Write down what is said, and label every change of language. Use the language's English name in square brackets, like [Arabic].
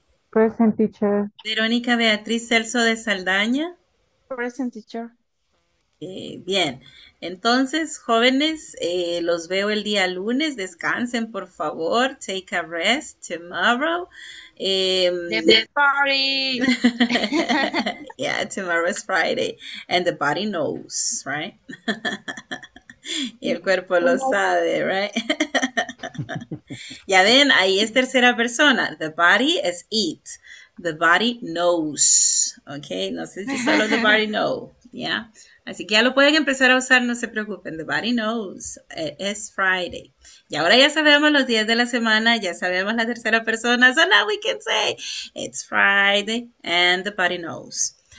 [English] Present teacher. Verónica Beatriz Celso de Saldaña. Present teacher. [Spanish] Bien, entonces jóvenes, los veo el día lunes, descansen por favor, [English] take a rest tomorrow. The party. Yeah, tomorrow is Friday and the body knows, right? [Spanish] Y el cuerpo lo sabe, right? Ya ven, ahí es tercera persona. [English] The body is it. The body knows. Ok, [Spanish] no sé si solo [English] the body knows. Yeah. [Spanish] Así que ya lo pueden empezar a usar, no se preocupen. [English] The body knows. It's Friday. [Spanish] Y ahora ya sabemos los días de la semana, ya sabemos la tercera persona. [English] So now we can say it's Friday and the body knows.